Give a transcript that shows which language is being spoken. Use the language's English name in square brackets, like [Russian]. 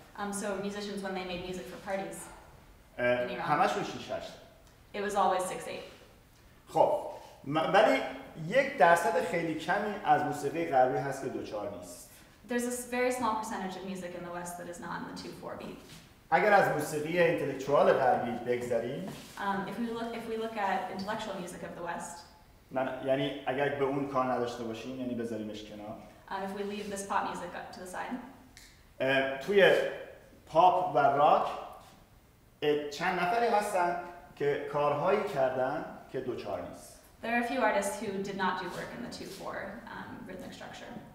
[English] So musicians when they made music for parties [Persian] همه‌شون 6-8 [English] It was always 6-8 [Persian] خب ولی یک درصد خیلی کمی از موسیقی غربی هست که 2-4 نیست [English] There's a very small percentage of music in the West that is not in the 2-4 beat [Persian] اگر از موسیقی اینتלקچوال غربی بگذریم [English] if we look at intellectual music of the west [Persian] یعنی اگر به اون کار نداشته باشیم یعنی بذاریمش کنار [English] if we leave this pop music to the side [Persian] توی پاپ و راک چند نفری هستن که کارهایی کردن که 2-4 نیست [English] there are a few artists who did not do work in the 2-4 rhythmic structure